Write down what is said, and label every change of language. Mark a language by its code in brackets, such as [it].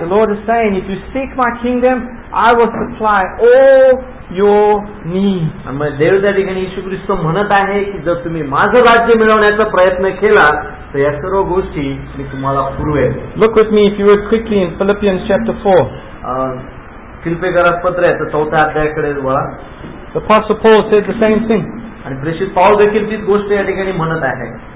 [en] The Lord is saying, if you seek my kingdom, I will supply all your needs. [mr] आणि मग देव त्या ठिकाणी येशू ख्रिस्त म्हणत आहे की जर तुम्ही माझं राज्य मिळवण्याचा प्रयत्न केला तर या सर्व गोष्टी मी तुम्हाला पुरवेल. [en] Look with me, if you would, quickly in Philippians chapter 4. [mr] Philippians पत्र आहे तर चौथ्या अध्यायाकडे वळा. [en] The Apostle Paul said the same thing. [mr] आणि प्रेषित पाऊल देखील तीच गोष्ट या ठिकाणी म्हणत आहे.